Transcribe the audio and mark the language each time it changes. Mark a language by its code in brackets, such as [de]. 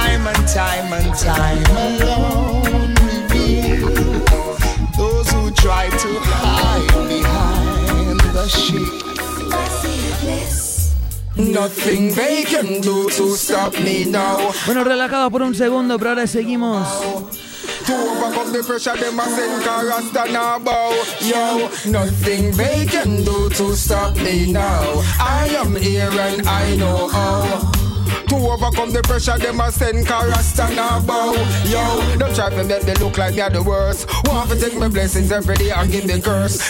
[en] Time alone reveal those who try to hide behind the sheet. Nothing they can do to stop me now. [es] Bueno, relajado por un segundo, pero ahora seguimos. [en] To overcome the pressure, them a send Karasta now, bow. Yo, nothing they can do to stop me now. I am here and I know how. To overcome the pressure, them a send Karasta now, bow. Yo, them try to make them look like me at the worst. Want to take my blessings every day and give me curse.